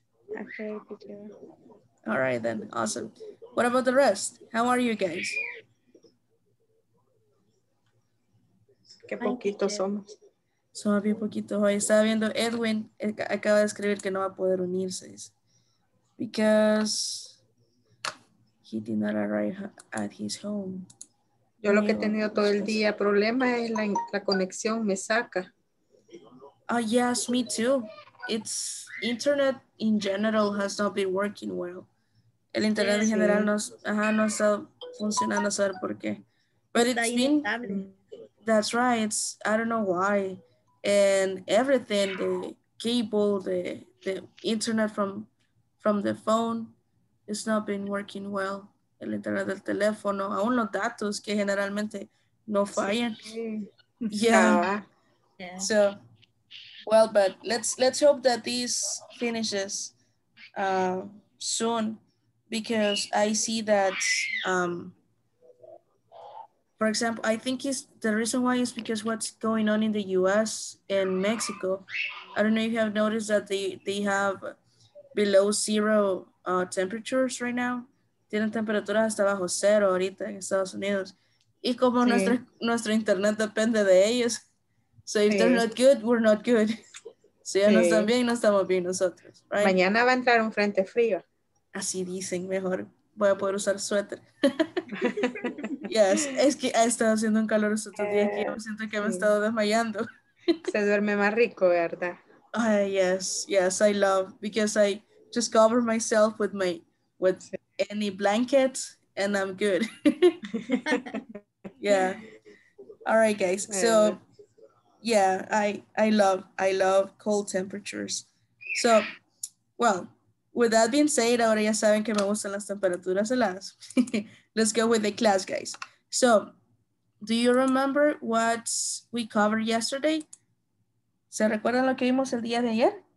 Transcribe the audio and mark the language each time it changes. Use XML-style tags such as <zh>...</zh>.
<en>Okay, teacher. All right, then. Awesome. What about the rest? How are you guys?</en> <es>Qué poquitos somos. Somos bien poquitos hoy. Estaba viendo Edwin. Acaba de escribir que no va a poder unirse.</es> <en>Because he did not arrive at his home.</en> <es>Yo lo que he tenido todo el día problema es la conexión, me saca.</es> <en>Oh, yes, me too. It's internet in general has not been working well.</en> <es>El internet en general no ha estado funcionando, saber por qué.</es> <en>But it's been</en> <es>inestable.</es> <en>That's right. It's, I don't know why. And everything, the cable, the internet from the phone, it's not been working well.</en> <es>El internet del teléfono, aún los datos que generalmente no fallan. Sí.</es> <en>So, well, but let's hope that this finishes soon, because I see that, for example, I think the reason why is because what's going on in the US and Mexico, I don't know if you have noticed that they have below zero temperatures right now.</en> <es>Tienen temperaturas hasta bajo cero ahorita en Estados Unidos. Y como nuestro internet depende de ellos.</es> <en>So if they're not good, we're not good.</en> <es>Si ellos no están bien, no estamos bien nosotros.</es> <en>Right?</en> <es>Mañana va a entrar un frente frío. Así dicen, mejor voy a poder usar suéter. Yes, es que ha estado haciendo un calor estos días que yo siento que me he estado desmayando. Se duerme más rico, ¿verdad?</es> <en>Yes, yes, I love, because I just cover myself with my with any blanket and I'm good. Yeah. All right, guys. So yeah, I love cold temperatures. So, well, with that being said,</en> <es>ahora ya saben que me gustan las temperaturas heladas.</es> <en>Let's go with the class, guys. So, do you remember what we covered yesterday?</en> <es>¿Se recuerdan lo que vimos el día de ayer?</es>